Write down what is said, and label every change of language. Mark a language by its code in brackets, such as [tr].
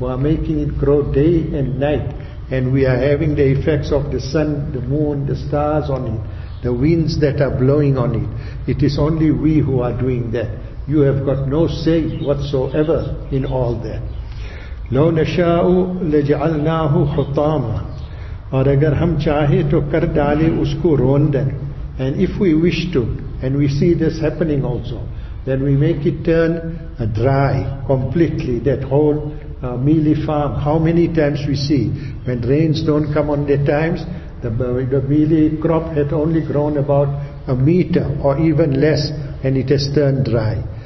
[en] We are making it grow day and night. And we are having the effects of the sun, the moon, the stars on it, the winds that are blowing on it. It is only we who are doing that. You have got no say whatsoever in all that. [ar] لَوْ نَشَاءُ لَجْعَلْنَاهُ حُطَامًا. [ur] اور اگر ہم چاہے تو کر ڈالے اس کو روندن. [en] And if we wish to, and we see this happening also, then we make it turn dry completely, that whole mealy farm. How many times we see, when rains don't come on the times, the mealy crop had only grown about a meter or even less, and it has turned dry.